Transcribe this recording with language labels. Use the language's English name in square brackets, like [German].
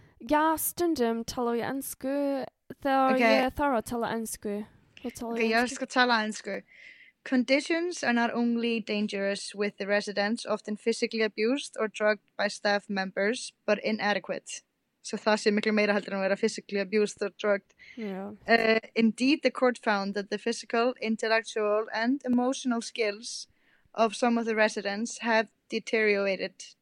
[Icelandic] Já, stundum talar ég ensku þegar ég þarf að tala ensku. Ok, ég skal tala ensku. [English] Conditions are not only dangerous with the residents, often physically abused or drugged by staff members, but inadequate. [Icelandic] So það sé miklu meira heldur en að vera [English] physically abused or drugged. Yeah. Indeed, the court found that the physical, intellectual and emotional skills of some of the residents have deteriorated.